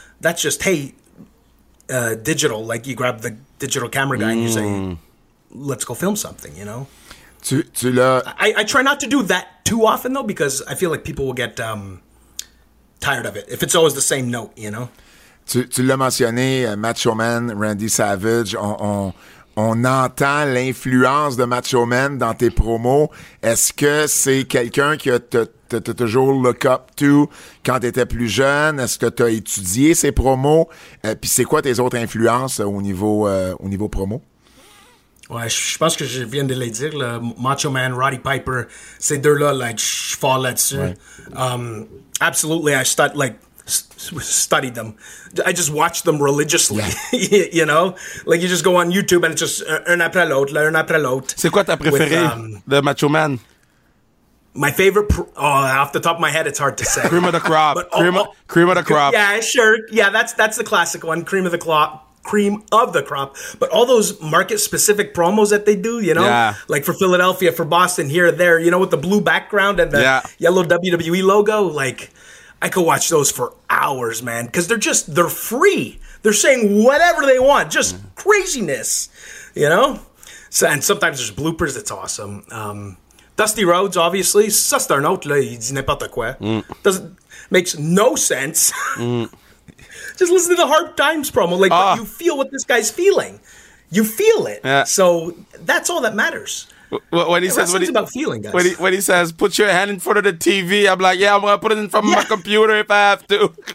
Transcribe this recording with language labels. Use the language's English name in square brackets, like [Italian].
[English] That's just, hey, digital. Like, you grab the digital camera guy and you say, let's go film something, you know? [French] Tu l'as... [English] I try not to do that too often, though, because I feel like people will get tired of it if it's always the same note, you know? [French] Tu l'as mentionné, Macho Man, Randy Savage, on entend l'influence de Macho Man dans tes promos. Est-ce que c'est quelqu'un qui t'a toujours [English] look up to [French] quand t'étais plus jeune? Est-ce que t'as étudié ses promos? Puis c'est quoi tes autres influences au niveau promo? Ouais, je pense que je viens de les dire, le Macho Man, Roddy Piper, ces deux-là, like, je fall là-dessus. Ouais. [English] Absolutely, I start, like, studied them. I just watched them religiously, yeah. You know? Like, you just go on YouTube and it's just [French] un après l'autre. C'est quoi ta préférée de Macho Man? [English] My favorite, off the top of my head, it's hard to say. Cream of the crop. But, cream of the crop. Yeah, sure. Yeah, that's the classic one, cream of the crop. But all those market-specific promos that they do, you know? Yeah. Like for Philadelphia, for Boston, here, there, you know, with the blue background and the yellow WWE logo, like... I could watch those for hours, man, because they're free. They're saying whatever they want, just craziness, you know? So, and sometimes there's bloopers, it's awesome. [French] Dusty Rhodes, [English] obviously, [French] ça c'est un autre, là, il dit n'importe quoi. [English] Makes no sense. Just listen to the Hard Times promo, like, but you feel what this guy's feeling. You feel it. Yeah. So that's all that matters. When he says, what about feeling, guys. When he says, put your hand in front of the TV, I'm like, yeah, I'm going to put it in front of my computer if I have to.